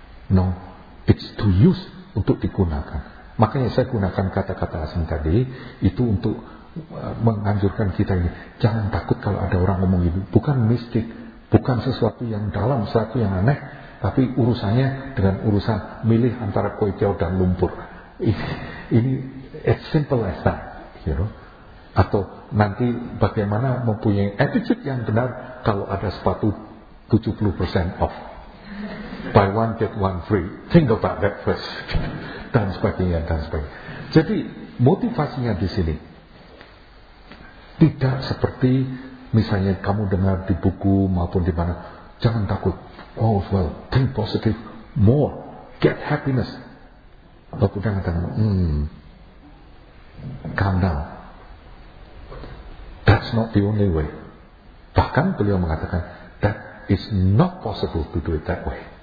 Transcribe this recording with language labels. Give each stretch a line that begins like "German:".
English: No, it's to use,
Indonesian: untuk digunakan. Makanya saya gunakan kata-kata asing tadi, itu untuk menganjurkan kita ini. Jangan takut kalau ada orang ngomong ini, bukan mistik. Bukan sesuatu yang dalam, sesuatu yang aneh, tapi urusannya dengan urusan milih antara kue tiaw dan lumpur. Ini
English: as simple as that, you know.
Indonesian: Atau nanti bagaimana mempunyai attitude yang benar kalau ada sepatu
English: 70% off. Buy one, get one free. Think about that first.
Indonesian: Dan sebagainya. Jadi motivasinya di sini tidak seperti misalnya kamu dengar di buku maupun di mana, jangan takut.
English: Oh well, think positive, more, get happiness.
Indonesian: Lalu jangan tanya,
English: calm down. That's not the only way.
Indonesian: Bahkan beliau mengatakan,
English: that is not possible to do it that way.